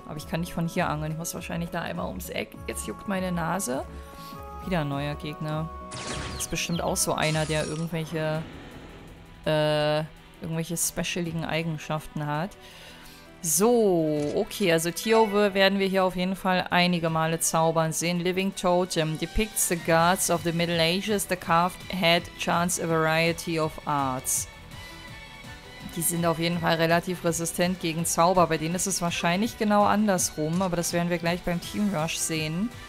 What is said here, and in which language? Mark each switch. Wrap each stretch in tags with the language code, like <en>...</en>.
<de>Aber ich kann nicht von hier angeln. Ich muss wahrscheinlich da einmal ums Eck. Jetzt juckt meine Nase. Wieder ein neuer Gegner. Ist bestimmt auch so einer, der irgendwelche specialigen Eigenschaften hat. So, okay, also Tio werden wir hier auf jeden Fall einige Male zaubern sehen.</de> <en>Living Totem depicts the gods of the Middle Ages. The carved head chants a variety of arts.</en> <de>Die sind auf jeden Fall relativ resistent gegen Zauber. Bei denen ist es wahrscheinlich genau andersrum, aber das werden wir gleich beim Team Rush sehen.</de>